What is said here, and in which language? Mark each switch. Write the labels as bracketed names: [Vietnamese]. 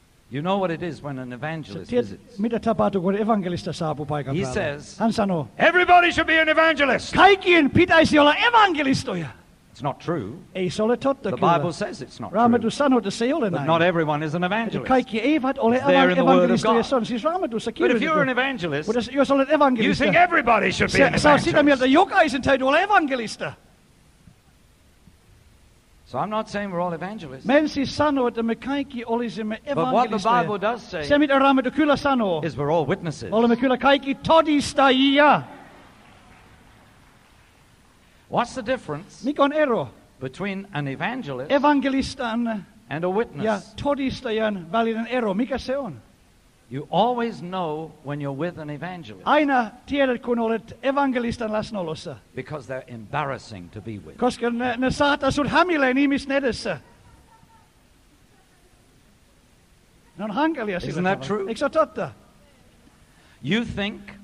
[English] You know what it is when an evangelist visits. [Finnish] Mitä tapahtuu kun evankelista saapuu paikan päälle? [English] He says. [Finnish] Hän sanoo. [English] Everybody should be an evangelist. [Finnish] Kaikkien pitäisi olla evankelistoja. [English] It's not true. [Finnish] Ei se ole totta. [English] The Bible says it's not [Finnish] Raamattu sanoo, että se ei ole näin. [English] Not everyone is an evangelist. [Finnish] Kaikki eivät ole evankelistoja. Se on siis Raamatussa kirjoitettu. [English] But if you're an evangelist, [Finnish] mutta jos olet evankelista, [English] you think everybody should be an evangelist. [Finnish] Saa sitä mieltä, että jokaisen täytyy olla evankelista. [English] So I'm not saying we're all evangelists. [Finnish] Men siis sanoo, että me kaikki olisimme evankelisteja. [English] But what the Bible does say, [Finnish] se mitä Raamattu kyllä sanoo, [English] is we're all witnesses. [Finnish] Olemme kyllä kaikki todistajia. [English] What's the difference? [Finnish] Mikä on ero [English] between an evangelist, [Finnish] evangelistan, [English] and a witness? [Finnish] Ja todistajan välinen ero, mikä se on? [English] You always know when you're with an evangelist. [Finnish] Aina tiedät kun olet evangelistan läsnäolossa. [English] Because they're embarrassing to be with. [Finnish] Koska ne saattaa sut hämilleen ihmisten edessä. Ne on hankalia sillä tavalla. [English] Isn't that true? [Finnish] Eikö se ole totta? [English] You think